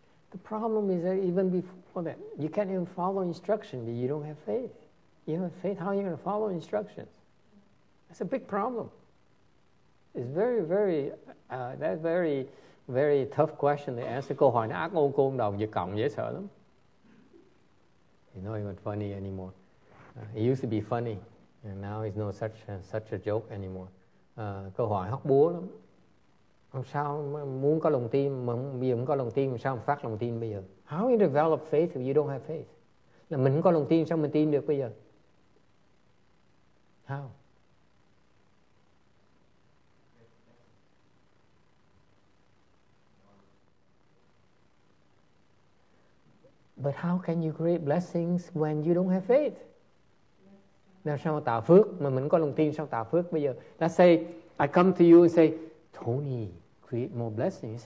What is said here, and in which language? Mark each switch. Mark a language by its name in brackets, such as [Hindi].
[English] The problem is that even before that, you can't even follow instruction, but you don't have faith. You don't have faith, how are you going to follow instructions? That's a big problem. It's very, very, that's very, very tough question to answer. [Vietnamese] Câu hỏi ác ôn côn đồng giữa cộng dễ sợ lắm. [English] It's not even funny anymore. It used to be funny, and now it's not such a joke anymore. [Vietnamese] Câu hỏi hóc búa lắm. Làm sao muốn có lòng tin mà bây giờ không có lòng tin, làm sao mà phát lòng tin bây giờ? [English] How you develop faith if you don't have faith? [Vietnamese] Là mình không có lòng tin, sao mình tin được bây giờ? [English] How? But how can you create blessings when you don't have faith? [Vietnamese] Làm sao mà tạo phước mà mình không có lòng tin, sao tạo phước bây giờ? [English] Let's say I come to you and say, Tony, create more blessings.